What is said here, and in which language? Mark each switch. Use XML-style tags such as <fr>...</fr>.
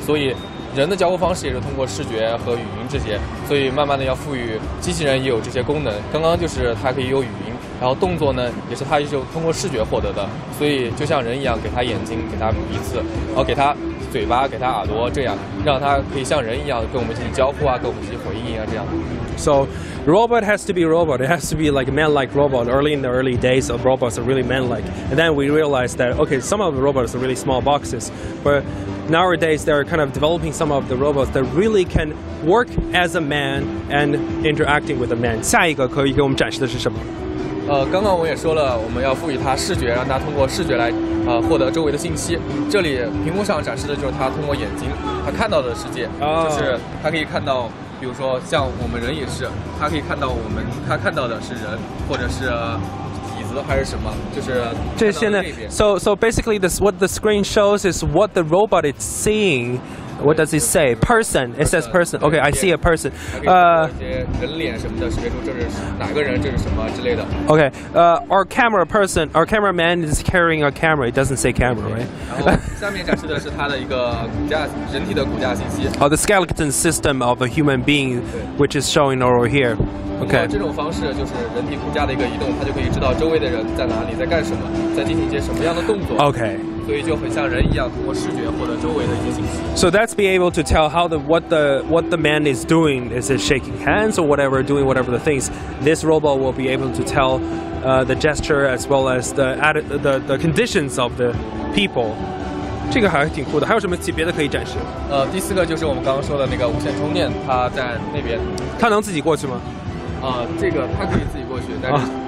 <zh>所以人的交互方式也是通过视觉和语音这些，所以慢慢的要赋予机器人也有这些功能。刚刚就是它可以有语音，然后动作呢也是它就通过视觉获得的，所以就像人一样，给它眼睛，给它鼻子，然后给它嘴巴，给它耳朵，这样让它可以像人一样跟我们进行交互啊，跟我们进行回应啊，这样。</zh> <en>So, robot has to be robot. It has to be like man-like robot. Early in the early days of robots are really man-like. And then we realized that, okay, some of the robots are really small boxes. But nowadays, they're kind of developing some of the robots that really can work as a man and interacting with a man.</en> <zh>下一个可以给我们展示的是什么？刚刚我也说了，我们要赋予它视觉，让它通过视觉来获得周围的信息。这里屏幕上展示的就是它通过眼睛它看到的世界，就是它可以看到，比如说像我们人也是，它可以看到我们它看到的是人，或者是椅子还是什么，就是这现在。</zh> <en>So basically, this what the screen shows is what the robot is seeing. What does it say? Person. It says person. Okay, I see a person. Okay, our camera person, our cameraman is carrying a camera. It doesn't say camera, right?</en> <zh>然后下面展示的是他的一个骨架，人体的骨架信息。</zh> <en>Oh, the skeleton system of a human being, which is showing over here. Okay.</en> <zh>这种方式就是人体骨架的一个移动，他就可以知道周围的人在哪里，在干什么，在进行一些什么样的动作。</zh> <en>Okay.</en> <zh>所以就很像人一样，通过视觉获得周围的一些信息。</zh> <en>So that's be able to tell how the what the man is doing. Is it shaking hands or whatever, doing whatever the things? This robot will be able to tell, the gesture as well as the conditions of the people.</en> <zh>这个还挺酷的。还有什么级别的可以展示？第四个就是我们刚刚说的那个无线充电，它在那边。它能自己过去吗？这个它可以自己过去，但是。</zh>